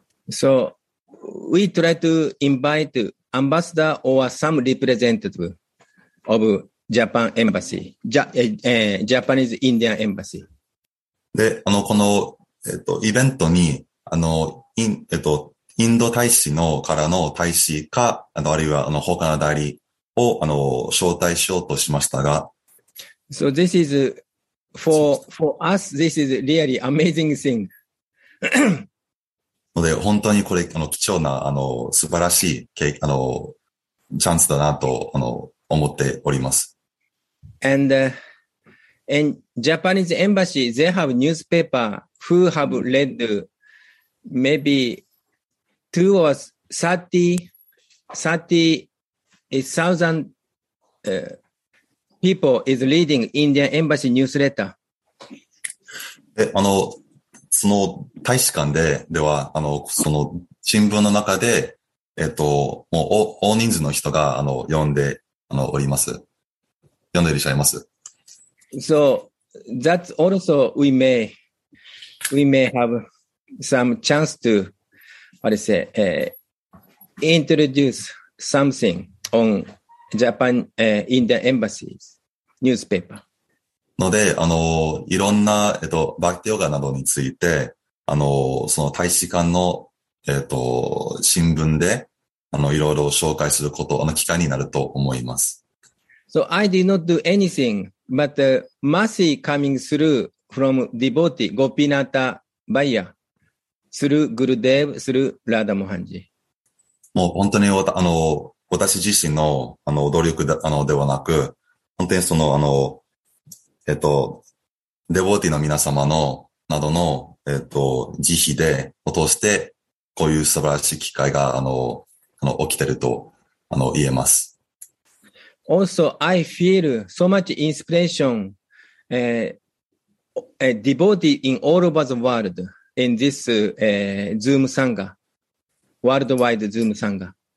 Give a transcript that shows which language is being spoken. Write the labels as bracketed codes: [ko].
[en] So, we try to invite ambassador or some representative of Japan embassy, Japanese Indian embassy. [ja] で、この、イベントに、インド大使のからの大使か、あるいは、他の代理を、招待しようとしましたが。 [en] So this is, for us, this is really amazing thing. [ja] ので、本当にこれ、貴重な、素晴らしい、チャンスだなと、思っております。 [en] And, in Japanese embassy, they have newspaper who have read maybe 30,000 people is reading Indian embassy newsletter. [ja] その大使館で、では、その新聞の中で、もう大人数の人が、読んで、おります。読んでいらっしゃいます。 [en] So that's also we may have some chance to, what do you say, introduce something on Japan, Indian embassy's newspaper. [ja] ので、いろんな、バクティヨガなどについて、その大使館の、新聞で、いろいろ紹介すること、機会になると思います。 [en] So I did not do anything. But mercy coming through from devotee Gopinatha Bhaiya through Gurudev through Radha Mohanji. [ja] もう本当に私自身の努力ではなく、本当にそのDevotee の皆様のなどの慈悲で落としてこういう素晴らしい機会が起きていると言えます。 [en] Also, I feel so much inspiration, devotee in all over the world in this, Zoom Sangha, worldwide Zoom Sangha.